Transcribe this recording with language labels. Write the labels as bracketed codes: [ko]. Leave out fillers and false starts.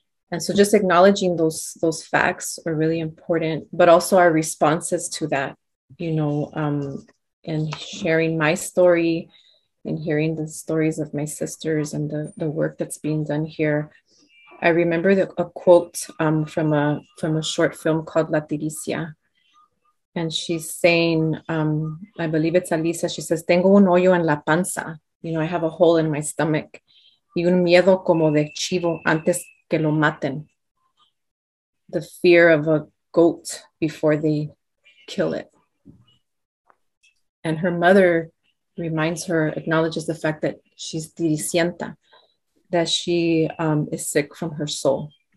[en] And so just acknowledging those facts are really important, but also our responses to that, you know, and sharing my story and hearing the stories of my sisters and the work that's being done here. I remember a quote from a short film called La Tiricia. And she's saying, I believe it's Alisa, she says, [es] tengo un hoyo en la panza. [en] You know, I have a hole in my stomach. [es] Y un miedo como de chivo antes que lo maten. [en] The fear of a goat before they kill it. And her mother reminds her, acknowledges the fact that she's diricienta, that she is sick from her soul.